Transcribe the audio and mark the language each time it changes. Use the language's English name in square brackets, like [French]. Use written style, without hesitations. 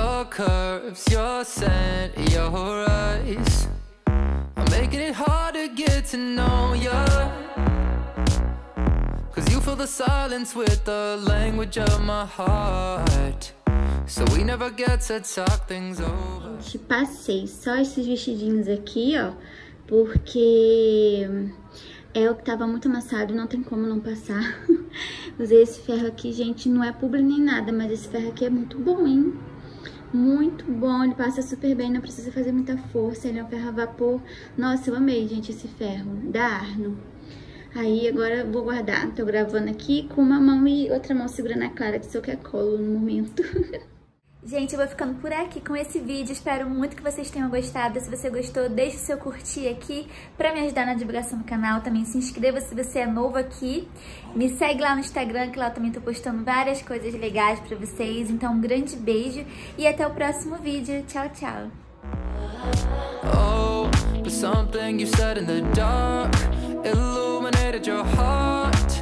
[English] Curves, your scent, your eyes are making it hard to get to know ya. 'Cause you fill the silence with the language of my heart, so we never get to talk things over. [Portuguese] Gente, passei só esses vestidinhos aqui, ó, porque é o que tava muito amassado, não tem como não passar. Usei esse ferro aqui, gente, não é publi nem nada, mas esse ferro aqui é muito bom, hein? Muito bom, ele passa super bem, não precisa fazer muita força, ele é um ferro a vapor. Nossa, eu amei, gente, esse ferro da Arno. Aí, agora eu vou guardar. Tô gravando aqui com uma mão e outra mão segurando a Clara, que só quer colo no momento. Gente, eu vou ficando por aqui com esse vídeo. Espero muito que vocês tenham gostado. Se você gostou, deixe o seu curtir aqui pra me ajudar na divulgação do canal. Também se inscreva se você é novo aqui. Me segue lá no Instagram, que lá eu também tô postando várias coisas legais pra vocês. Então, um grande beijo e até o próximo vídeo. Tchau, tchau. [English] Oh, something you said in the dark illuminated your heart.